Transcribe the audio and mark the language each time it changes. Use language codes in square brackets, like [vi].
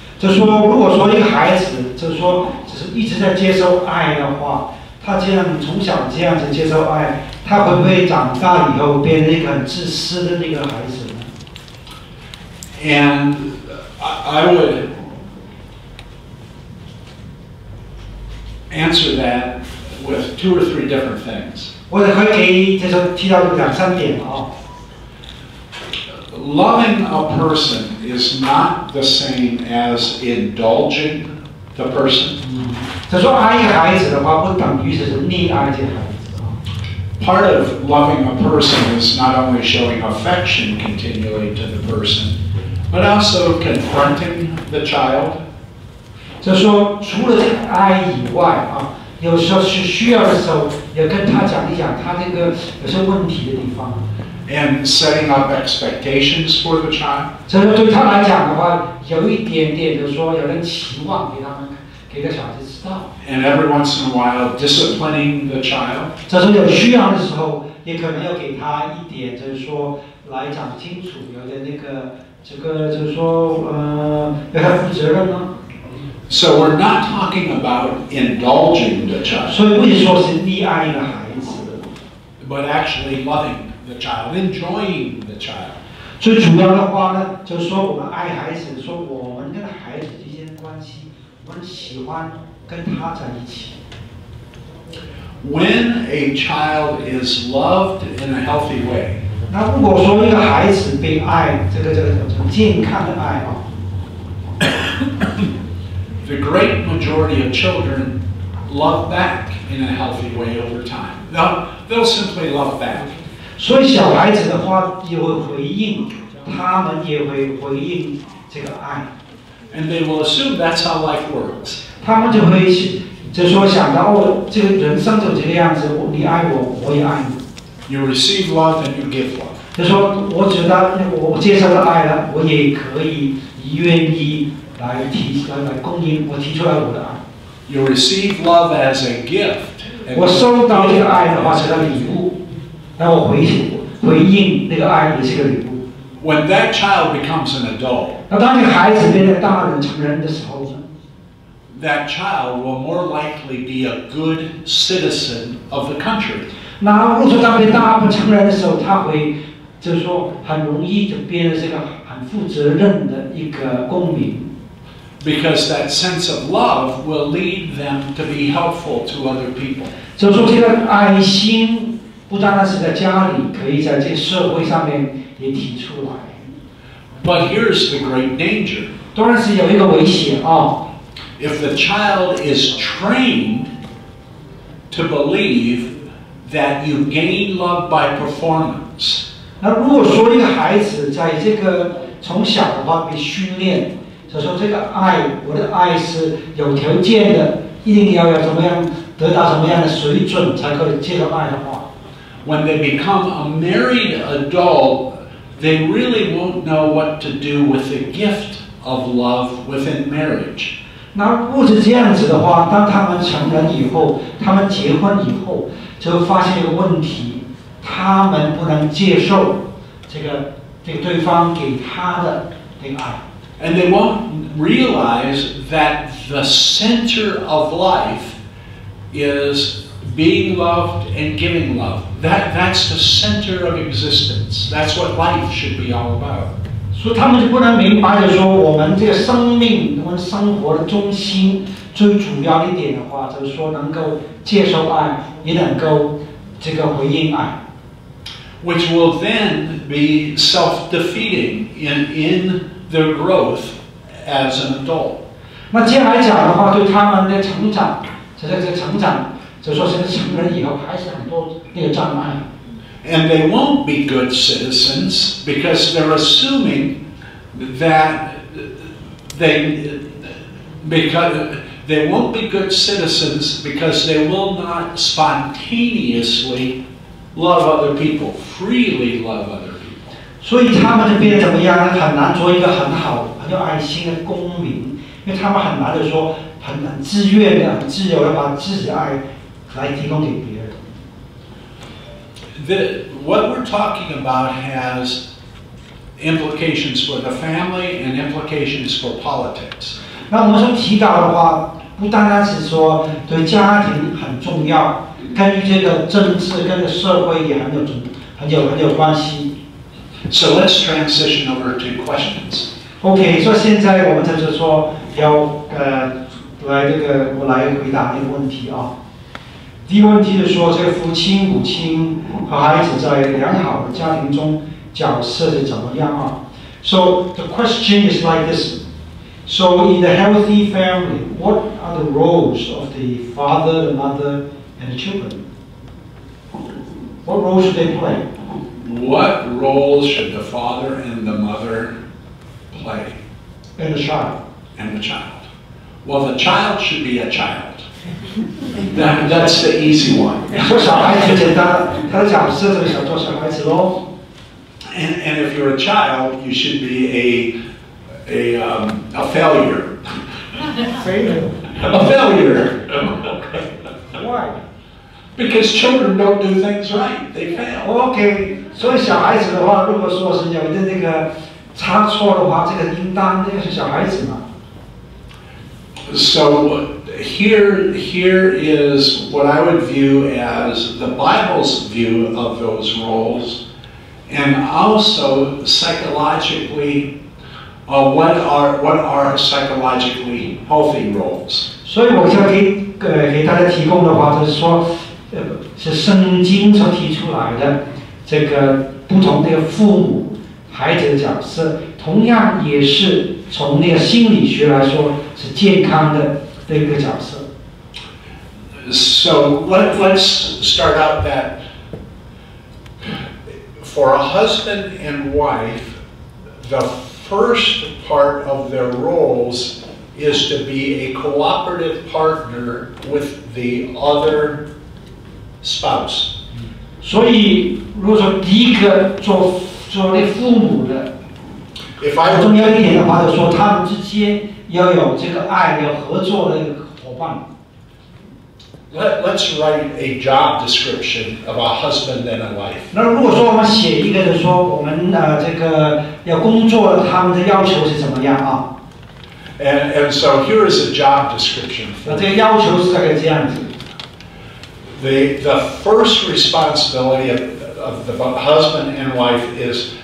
[zh] 就说如果说一个孩子，就说只是一直在接受爱的话，他既然从小这样子接受爱，他会不会长大以后变成一个很自私的那个孩子呢？ [en] And I would answer that with two or three different things. [zh] 我可以给这种提到两三点啊。 [en] Loving a person is not the same as indulging the person. [zh] 他说爱孩子的话不等于是溺爱这孩子。 [en] Part of loving a person is not only showing affection continually to the person, but also confronting the child. [zh] 就说除了爱以外啊，有时候是需要的时候也跟他讲一讲他那个有些问题的地方。 [en] And setting up expectations for the child. [zh] 就说对他来讲的话，有一点点就说有人期望给他们。给个小孩子知道。 [en] And every once in a while, disciplining the child. [zh] 在说有需要的时候，也可能要给他一点，就是说来讲清楚，有点那个，这个就是说，要他负责任吗？ [en] So we're not talking about indulging the child. [zh] 所以不是说是溺爱一个孩子。 [en] But actually loving the child, enjoying the child. [zh] 最主要的话呢，就是说我们爱孩子，说我们跟孩子之间的关系。我喜欢跟他在一起。 [en] When a child is loved in a healthy way, [zh] 那如果说一个孩子被爱，这个健康的爱啊。 [en] The great majority of children love back in a healthy way over time. They'll simply love back. [zh] 所以小孩子的话也会回应，他们也会回应这个爱。 [en] And they will assume that's how life works. [zh] 他们就会就说想到哦，这个人生就这个样子。你爱我，我也爱你。 [en] You receive love and you give love. [zh] 就说我知道我接受了爱了，我也可以愿意来供应，我提出来我的爱。 [en] You receive love as a gift. [zh] 我收到这个爱的话是个礼物，那我回应那个爱也是个礼物。 [en] When that child becomes an adult, [zh] 那当你孩子变成大人成人的时候呢？ [en] That child will more likely be a good citizen of the country. [zh] 那如果说他变大不成人的时候，他会就是说很容易就变成这个很负责任的一个公民。 [en] Because that sense of love will lead them to be helpful to other people. [zh] 就说这个爱心不单单是在家里，可以在这社会上面。也提出来。 [en] But here's the great danger. [zh] 当然是有一个危险啊。 [en] If the child is trained to believe that you gain love by performance. [zh] 那如果说一个孩子在这个从小的话被训练，就说这个爱，我的爱是有条件的，一定要有怎么样得到什么样的水准才可以接受爱的话。 [en] When they become a married adult,They really won't know what to do with the gift of love within marriage. [zh] 那如果是这样子的话，当他们成人以后，他们结婚以后，就发现一个问题，他们不能接受这个对方给他的这个爱。 [en] And they won't realize that the center of life is being loved and giving love. That's the center of existence. That's what life should be all about. So, [zh] 他们就不能明白，就说我们这个生命，我们生活的中心，最主要一点的话，就是说能够接受爱，也能够这个回应爱。 [en] Which will then be self-defeating in their growth as an adult. [zh] 那接下来讲的话，对他们的成长，这个成长。就说现在成人以后还是很多那个障碍。 [en] And they won't be good citizens because they're assuming that they won't be good citizens because they will not spontaneously love other people, freely love other people. [zh] 所以他们就变得怎么样呢？很难做一个很好、很有爱心的公民，因为他们很难的说很难自愿的、自由的把自己爱。来提供给别人。 [en] What we're talking about has implications for the family and implications for politics. [zh] 那我们说提到的话，不单单是说对家庭很重要，跟这个政治、跟这个社会也很有关系。 [en] So let's transition over to questions. Okay, so [zh] 现在我们就是说要来这个我来回答一个问题啊。第一个问题就是说，这个父亲、母亲和孩子在良好的家庭中角色是怎么样啊 ？ [en] So the question is like this. So in a healthy family, what are the roles of the father, the mother, and the children? What role should they play? What roles should the father and the mother play? And the child. And the child. Well, the child should be a child. That's the easy one. [zh] 做小孩子简单，他的角色就是想做小孩子咯。 [en] And if you're a child, you should be a failure. Failure. A failure. Why? Because children don't do things right. They fail. Okay. [zh] 所以小孩子的话，如果说是有的那个差错的话，这个应当那个是小孩子嘛。 [en] So here is what I would view as the Bible's view of those roles, and also psychologically, what are psychologically healthy roles? [zh] 所以我想给大家提供的话，就是说，是圣经所提出来的这个不同的父母孩子的角色，同样也是。从那个心理学来说，是健康的那个角色。 [en] So let's start out that for a husband and wife, the first part of their roles is to be a cooperative partner with the other spouse. [zh] 所以，如果说第一个做那父母的。 [en] If I, [zh] 重要一点的话，就说他们之间要有这个爱，要合作的伙伴。 [en] Let's write a job description of a husband and a wife. [zh] 那如果说我们写一个，就说我们这个要工作的，他们的要求是怎么样啊 [en] ？And so here is a job description. [zh] 那这个要求是大概这样子。 [en] The first responsibility of the husband and wife is.